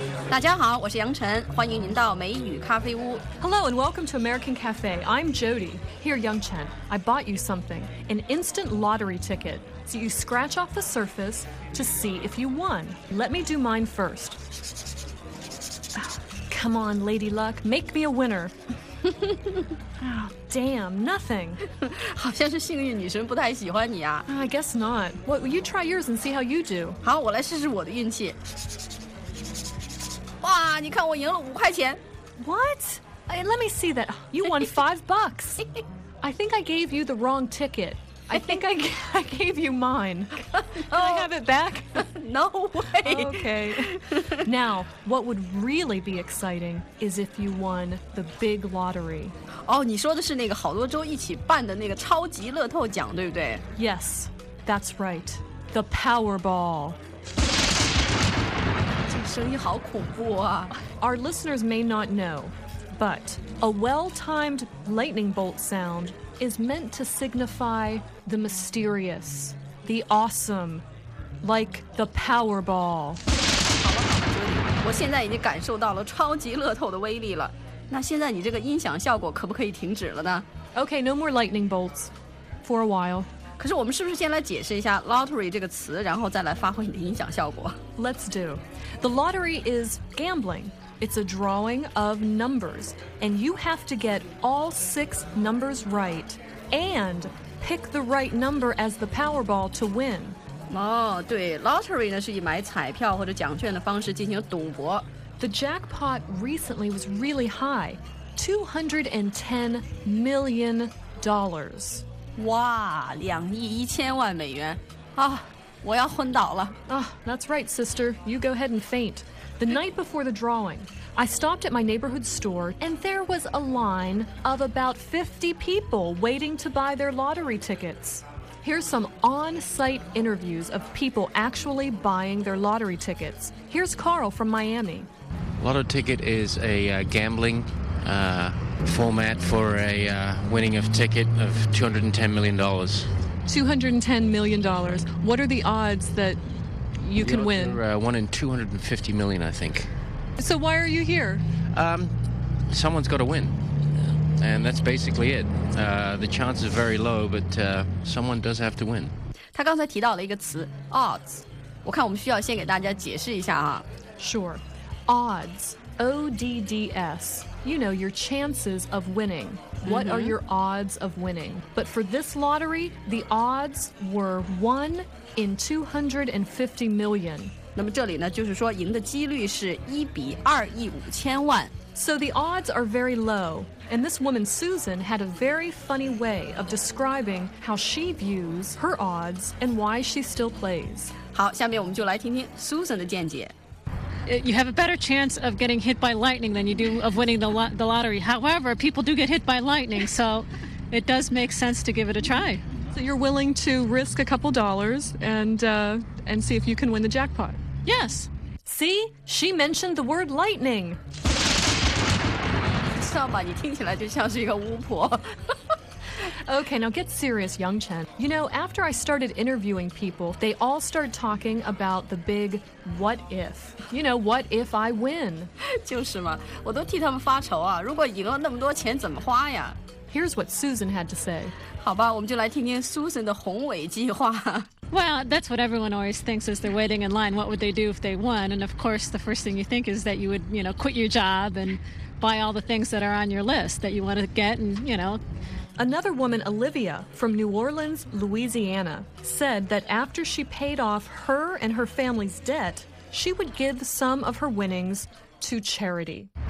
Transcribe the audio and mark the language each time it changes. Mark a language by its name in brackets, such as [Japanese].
[Chinese] 大家好，我是杨晨，欢迎您到美语咖啡屋。 [English] Hello and welcome to American Cafe. I'm Jody. Here, Yang Chen, I bought you something, an instant lottery ticket. So you scratch off the surface to see if you won. Let me do mine first. Come on, Lady Luck, make me a winner. Oh, damn, nothing. [Chinese] 好像是幸运女神不太喜欢你啊。 [English] I guess not. Well, you try yours and see how you do. [Chinese] 好，我来试试我的运气。哇，你看我赢了5块钱。 [English] What? Hey, let me see that. You won $5. I think I gave you the wrong ticket. I think I gave you mine. Can I have it back? No way. Okay. Now, what would really be exciting is if you won the big lottery. [Chinese] 哦，你说的是那个好多州一起办的那个超级乐透奖，对不对？ [English] Yes, that's right. The Powerball. [Chinese] 这声音好恐怖啊。 [English] Our listeners may not know, but a well-timed lightning bolt sound is meant to signify the mysterious, the awesome, like the Powerball. [Chinese] 好了好了，兄弟，我现在已经感受到了超级乐透的威力了。那现在你这个音响效果可不可以停止了呢？ [English] Okay, no more lightning bolts for a while. [Chinese] 可是我们是不是先来解释一下 lottery 这个词，然后再来发挥你的音响效果？ [English] Let's do. The lottery is gambling. It's a drawing of numbers, and you have to get all 6 numbers right and pick the right number as the Powerball to win. [Chinese] 哦，对 ，lottery 呢是以买彩票或者奖券的方式进行赌博。 [English] The jackpot recently was really high, $210 million. [Chinese] 哇，2亿1000万美元！啊，我要昏倒了。 [English] 啊、that's right, sister. You go ahead and faint. The night before the drawing, I stopped at my neighborhood store, and there was a line of about 50 people waiting to buy their lottery tickets. Here's some on-site interviews of people actually buying their lottery tickets. Here's Carl from Miami. Lotto ticket is a gambling format for a winning of ticket of $210 million. $210 million. What are the odds that... You can win. You're one in 250 million, I think. So why are you here? Someone's got to win. And that's basically it. The chance is very low, but someone does have to win. [Chinese] 他刚才提到了一个词 odds. 我看我们需要先给大家解释一下啊。 [English] Sure. Odds. O-D-D-S. You know, your chances of winning. What、mm-hmm. are your odds of winning? But for this lottery, the odds were 1 in 250 million. [Chinese] 那么这里呢，就是说赢的几率是1比2亿5千万。 [English] So the odds are very low. And this woman, Susan, had a very funny way of describing how she views her odds and why she still plays. [Chinese] 好，下面我们就来听听 Susan 的见解。 [English] You have a better chance of getting hit by lightning than you do of winning the lottery. However, people do get hit by lightning, so it does make sense to give it a try. So you're willing to risk a couple dollars and see if you can win the jackpot? Yes. See? She mentioned the word lightning. [Chinese] 知道吧，你听起来就像是一个巫婆。 [English] Okay, now get serious, Young Chen. You know, after I started interviewing people, they all started talking about the big what if. You know, what if I win? [Chinese] 就是嘛，我都替他们发愁啊，如果赢了那么多钱怎么花呀？ [English] Here's what Susan had to say. [Chinese] 好吧，我们就来听听 Susan 的宏伟计划。 [English] Well, that's what everyone always thinks as they're waiting in line. What would they do if they won? And of course, the first thing you think is that you would, you know, quit your job and buy all the things that are on your list that you want to get and, you know... Another woman, Olivia, from New Orleans, Louisiana, said that after she paid off her and her family's debt, she would give some of her winnings to charity.